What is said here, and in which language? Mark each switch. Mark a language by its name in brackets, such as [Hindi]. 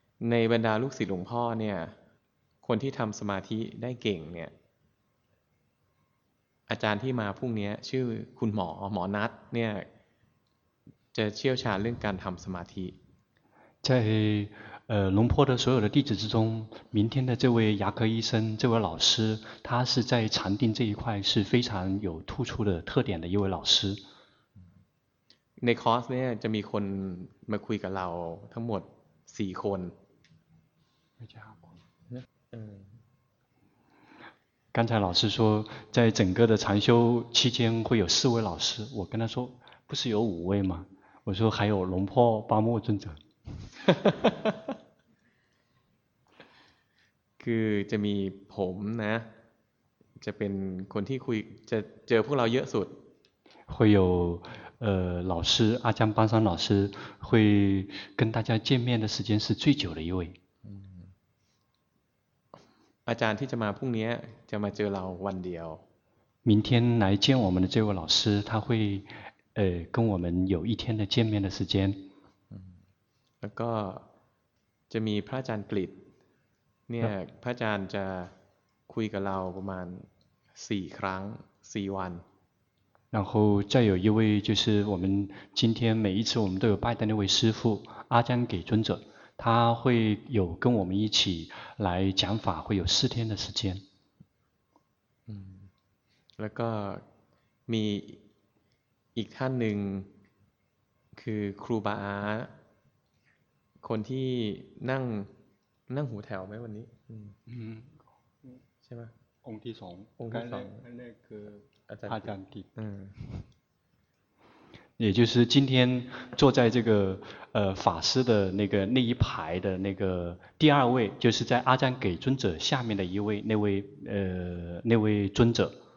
[Thai] ในบรรดาลูกศิษย์หลวงพ่อเนี่ยคนที่ทำสมาธิได้เก่งเนี่ยอาจารย์ที่มาพรุ่งนี้ชื่อคุณหมอนัทเนี่ยจะเชี่ยวชาญเรื่องการทำสมาธิ [Chinese] 在龙坡的所有的弟子之中明天的这位牙科医生这位老师他是在禅定这一块是非常有突出的特点的一位老师 [Thai] ในคอร์สเนี่ยจะมีคนมาคุยกับเราทั้งหมด4คน [Chinese] 刚才老师说在整个的禅修期间会有4位老师我跟他说不是有5位吗我说还有龙坡八莫尊者 [Thai] คือจะมีผมนะ จะเป็นคนที่คุยจะเจอพวกเราเยอะสุด [Chinese] 会有老师阿江班山老师会跟大家见面的时间是最久的一位 [Thai] อาจารย์ที่จะมาพรุ่งนี้จะมาเจอเราวันเดียว [Chinese] 明天来见我们的这位老师他会跟我们有一天的见面的时间 [Thai] แล้วก็จะมีพระอาจารย์กฤตเนี่ยพระอาจารย์จะคุยกับเราประมาณ4ครั้ง4วัน [Chinese] 然后再有一位就是我们今天每一次我们都有拜的那位师父阿江给尊者他会有跟我们一起来讲法会有四天的时间 [Thai] แล้วก็มีอีกท่านหนึ่งคือครูบาอาคนที่นั่งหูแถวไหมวันนี้ใช่ไหม องค์ที่สององ ค์ที่สอง อันแรกคืออาจารย์กิ [Chinese] ต也就是今天坐在这个法师的那个那一排的那个第二位就是在阿赞给尊者下面的一位那位尊者